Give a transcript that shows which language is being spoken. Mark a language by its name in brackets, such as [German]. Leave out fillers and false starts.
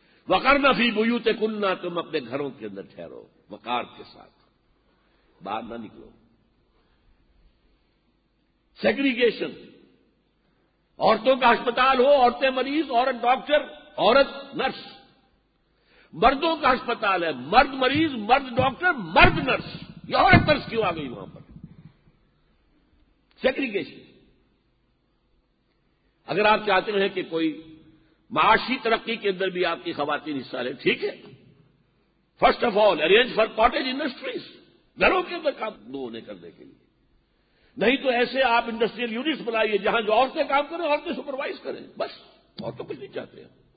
[Arabic] وَقَرْنَ فِي بُيُوتِكُنَّ, [Urdu] تم اپنے گھروں کے اندر ٹھہرو وقار کے ساتھ, باہر نہ نکلو. سیگریگیشن, عورتوں کا ہسپتال ہو, عورتیں مریض, عورت ڈاکٹر, عورت نرس. مردوں کا ہسپتال ہے, مرد مریض, مرد ڈاکٹر, مرد نرس. یہ عورت نرس کیوں آ گئی وہاں پر؟ سیگریگیشن. اگر آپ چاہتے ہیں کہ کوئی معاشی ترقی کے اندر بھی آپ کی خواتین حصہ لیں, ٹھیک ہے, [English] first of all arrange for cottage industries, [Urdu] گھروں کے اندر کام دو ہونے کرنے کے لیے. نہیں تو ایسے آپ انڈسٹریل یونٹس بنائیے جہاں جو عورتیں کام کریں, عورتیں سپروائز کریں, بس, اور تو کچھ نہیں چاہتے ہیں.